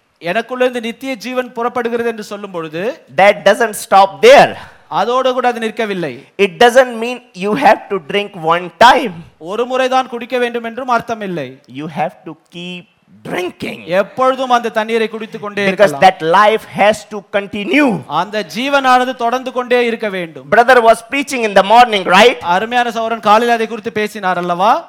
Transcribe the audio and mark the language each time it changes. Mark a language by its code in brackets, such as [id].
[ta] எனக்குள்ளிருந்து நித்திய ஜீவன் புறப்படுகிறது என்று சொல்லும் பொழுது, [en] that doesn't stop there. [ta] அதோடு கூட அது நிற்கவில்லை. [en] It doesn't mean you have to drink one time. [ta] ஒரு முறை தான் குடிக்க வேண்டும் என்றும் அர்த்தம் இல்லை. [en] You have to keep drinking. [ta] எப்பொழுதும் அந்த தண்ணீரை குடித்துக் கொண்டே இருக்கலாம். [en] Because that life has to continue. [ta] அந்த ஜீவனானது தொடர்ந்து கொண்டே இருக்க வேண்டும். [en] Brother was preaching in the morning, right? [ta] அருமையான சகோதரன் காலையில் அதை குறித்து பேசினார் அல்லவா?